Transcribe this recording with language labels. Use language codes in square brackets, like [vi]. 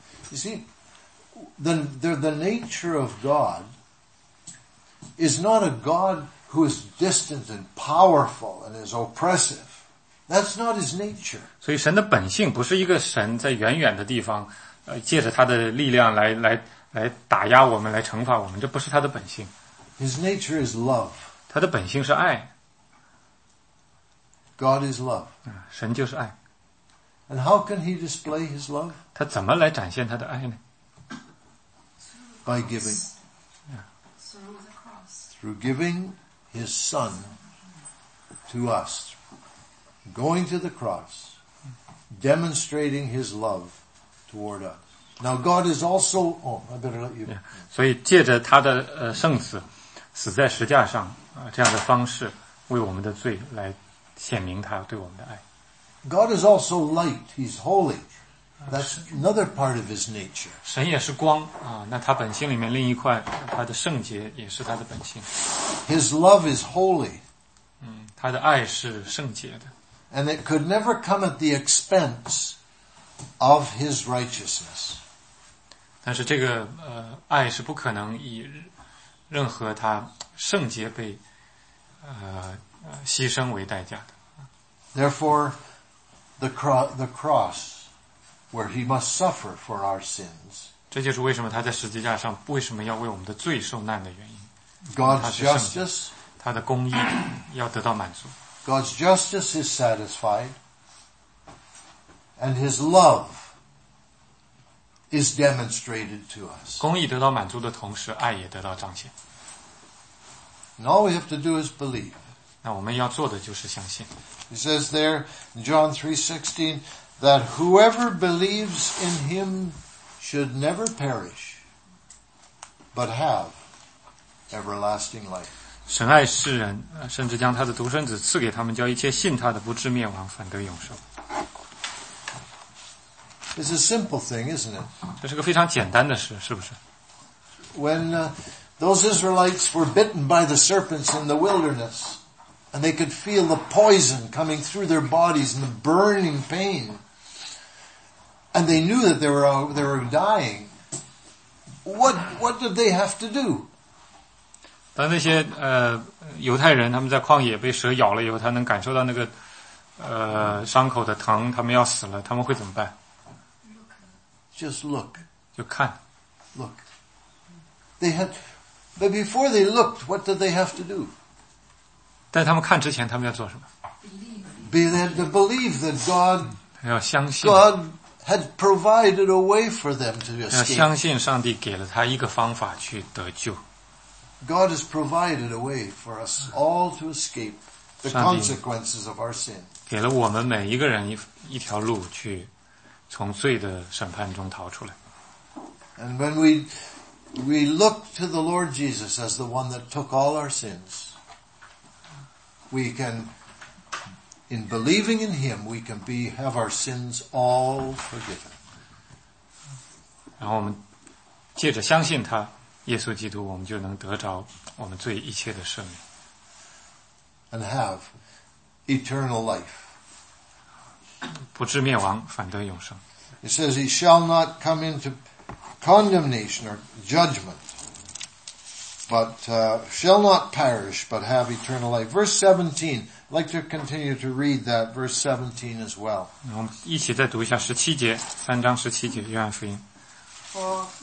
[en] You see, the nature of God is not a God who is distant and powerful and is oppressive. That's not his nature. [zh] 所以神的本性不是一个神在远远的地方借着他的力量来打压我们来惩罚我们这不是他的本性。 [en] His nature is love. [zh] 他的本性是爱。 [en] God is love. [zh] 神就是爱。 [en] And how can he display his love? [zh] 他怎么来展现他的爱呢? [en] By giving. Through giving his son to us. Going to the cross, demonstrating his love toward us. Now God is also, I better let you. [zh] Yeah, 所以借着他的圣子死在十架上这样的方式为我们的罪来显明他对我们的爱。 [en] God is also light, he's holy. That's another part of his nature. [zh] 神也是光那他本性里面另一块他的圣洁也是他的本性。 [en] His love is holy. [zh] 他的爱是圣洁的。 [en] And it could never come at the expense of his righteousness. [zh] 但是这个爱是不可能以任何他圣洁被牺牲为代价的。 [en] Therefore, the cross, where he must suffer for our sins. [zh] 这就是为什么他在十字架上为什么要为我们的罪受难的原因。 [en] God's justice, [zh] 他的公义要得到满足。 [en] God's justice is satisfied, and his love is demonstrated to us. [zh] 公义得到满足的同时，爱也得到彰显。 [en] And all we have to do is believe. [zh] 那我们要做的就是相信。 [en] He says there in John 3:16 that whoever believes in him should never perish, but have everlasting life. [zh] 神爱世人，甚至将他的独生子赐给他们，叫一切信他的不至灭亡，反得永生。 [en] It's a simple thing, isn't it? [zh] 这是个非常简单的事，是不是？ [en] When those Israelites were bitten by the serpents in the wilderness, and they could feel the poison coming through their bodies and the burning pain, and they knew that they were dying, what did they have to do? [zh] 当那些犹太人他们在旷野被蛇咬了以后，他能感受到那个伤口的疼，他们要死了，他们会怎么办？ [en] Just look. [zh] 就看。 [en] Look. But before they looked, what did they have to do? [zh] 在他们看之前，他们要做什么？ [en] They had to believe that God. [zh] 要相信。 [en] God had provided a way for them to escape. [zh] 要相信上帝给了他一个方法去得救。 [en] God has provided a way for us all to escape the consequences of our sin. [zh] 给了我们每一个人一条路去从罪的审判中逃出来。 [en] And when we look to the Lord Jesus as the one that took all our sins, we can, in believing in Him, we can have our sins all forgiven. [zh] 然后我们借着相信他。耶稣基督，我们就能得着我们罪一切的赦免 [en] ，and have eternal life， [zh] 不至灭亡，反得永生。 [en] He says he shall not come into condemnation or judgment， but shall not perish， but have eternal life. Verse 17， I'd like to continue to read that verse 17 as well。 [zh] 我们一起再读一下十七节，三章十七节，约翰福音。